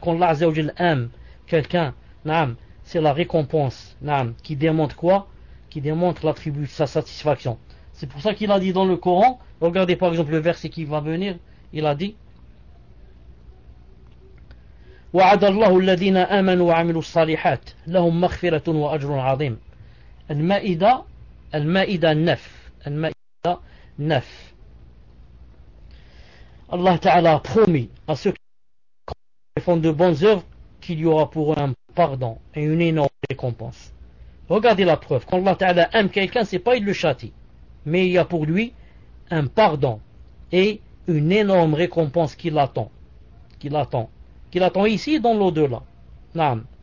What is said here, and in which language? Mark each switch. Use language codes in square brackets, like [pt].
[fr] Quand Allah Azzawajal aime quelqu'un, non, c'est la récompense, non, qui démontre quoi? Qui démontre l'attribut de sa satisfaction. C'est pour ça qu'il a dit dans le Coran, regardez par exemple le verset qui va venir, il a dit [ar] وعد الله الذين آمنوا وعملوا الصالحات لهم مغفرة وأجر عظيم. المائدة المائدة النف المائدة نف. [fr] الله تعالى promis à ceux qui font de bonnes œuvres qu'il y aura pour eux un pardon et une énorme récompense. Regardez la preuve. Quand Allah Ta'ala aime quelqu'un, c'est pas il le châtie, mais il y a pour lui un pardon et une énorme récompense qui l'attend ici et dans l'au-delà. Naam.